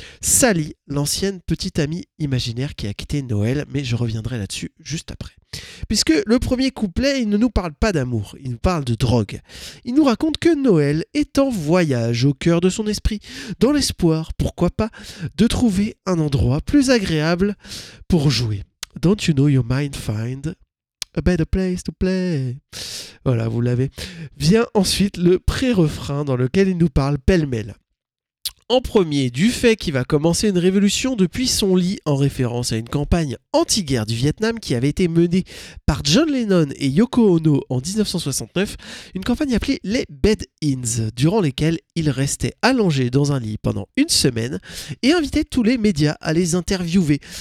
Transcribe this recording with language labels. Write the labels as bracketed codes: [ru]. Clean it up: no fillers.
[fr] Sally, l'ancienne petite amie imaginaire qui a quitté Noël, mais je reviendrai là-dessus juste après. Puisque le premier couplet, il ne nous parle pas d'amour, il nous parle de drogue. Il nous raconte que Noël est en voyage au cœur de son esprit, dans l'espoir, pourquoi pas, de trouver un endroit plus agréable pour jouer. [en] Don't you know your mind find a better place to play? [fr] Voilà, vous l'avez. Vient ensuite le pré-refrain dans lequel il nous parle pêle-mêle. en premier du fait qu'il va commencer une révolution depuis son lit en référence à une campagne anti-guerre du Vietnam qui avait été menée par John Lennon et Yoko Ono en 1969, une campagne appelée les Bed-ins, durant lesquelles il restait allongé dans un lit pendant une semaine et invitait tous les médias à les interviewer.